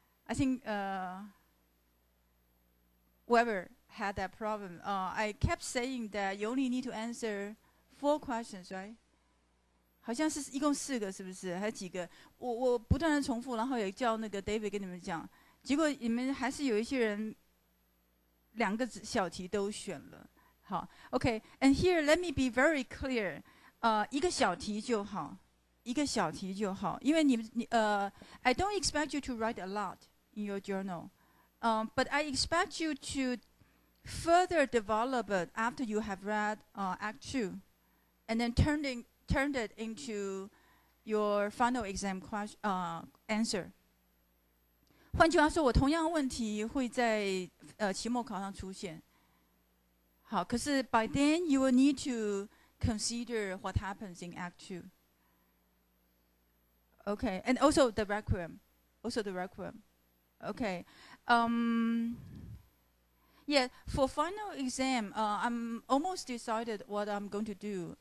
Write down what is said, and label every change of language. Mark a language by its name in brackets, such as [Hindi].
[English] I think Weber had that problem. I kept saying that you only need to answer four questions, right? [Chinese] 好像是一共四个，是不是？还有几个？我不断的重复，然后也叫那个 David 跟你们讲，结果你们还是有一些人两个小题都选了。 [English] 好 ，OK， and here let me be very clear， [Chinese] 一个小题就好，一个小题就好，因为你 [English] I don't expect you to write a lot in your journal， but I expect you to further develop it after you have read Act Two， and then turned it into your final exam answer. [Chinese] 换句话说，我同样问题会在期末考上出现。好，可是 [English] by then you will need to consider what happens in Act Two. Okay, and also the requiem, also the requiem. Okay, yeah, for final exam, I'm almost decided what I'm going to do.